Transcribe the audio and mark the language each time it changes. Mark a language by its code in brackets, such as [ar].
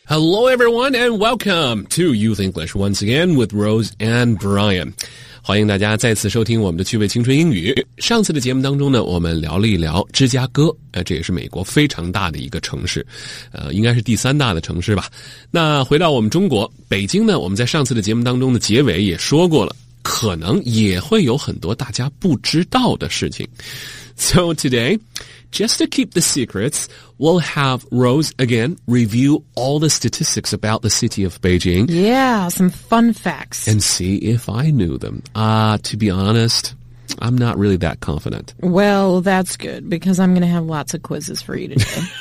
[en] Hello, everyone, and welcome to Youth English once again with Rose and Brian. [zh] 欢迎大家再次收听我们的趣味青春英语。上次的节目当中呢，我们聊了一聊芝加哥，这也是美国非常大的一个城市，应该是第三大的城市吧。那回到我们中国，北京呢，我们在上次的节目当中的结尾也说过了，可能也会有很多大家不知道的事情。 [en] So today, just to keep the secrets, we'll have Rose again review all the statistics about the city of Beijing. Yeah, some fun facts. And see if I knew them. To be honest, I'm not really that confident. Well, that's good, because I'm going to have lots of quizzes for you today.